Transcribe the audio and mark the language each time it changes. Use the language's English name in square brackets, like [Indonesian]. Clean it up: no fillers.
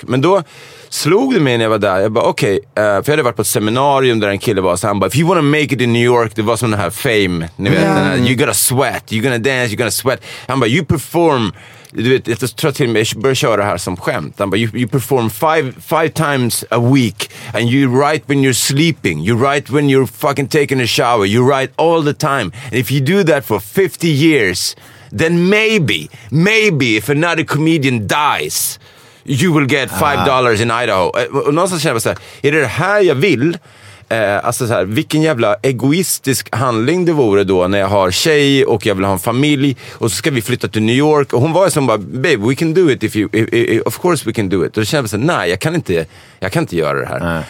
[Swedish] Men då slog det mig när jag var där, jag bara okej, för jag hade varit på ett seminarium där en kille var så han bara, if you wanna make it in New York, det var som den här Fame, ni vet, den här, you gotta sweat, you gonna dance, you gonna sweat. Han bara, you perform, du vet, jag tror till mig, jag börjar köra det här som skämt. [English] Han bara, you perform five times a week and you write when you're sleeping, you write when you're fucking taking a shower, you write all the time. And if you do that for 50 years, then maybe if another comedian dies, you will get $5 in Idaho. [Swedish] Och någonstans känner jag bara så här, är det här jag vill? Alltså så här, vilken jävla egoistisk handling det vore då när jag har tjej och jag vill ha en familj och så ska vi flytta till New York. Och hon var ju som bara, babe, we can do it of course we can do it. Och då känner jag så här, nej, jag kan inte göra det här.